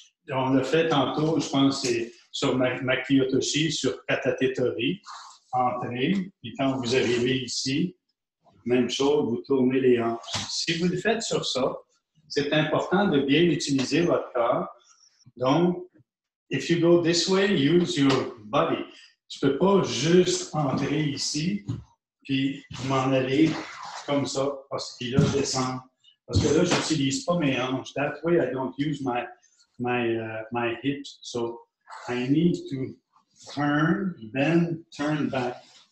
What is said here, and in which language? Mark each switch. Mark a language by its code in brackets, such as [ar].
[fr] On l'a fait tantôt, je pense, c'est sur Makiyotoshi, sur Katatetori. Entrez, puis quand vous arrivez ici, même chose, vous tournez les hanches. Si vous le faites sur ça, c'est important de bien utiliser votre corps. [en] Donc, if you go this way, use your body. [fr] Je ne peux pas juste entrer ici puis m'en aller comme ça, parce que là, je descends. Parce que là, je n'utilise pas mes hanches. [en] That way, I don't use my hips. So, I need to turn, then turn back.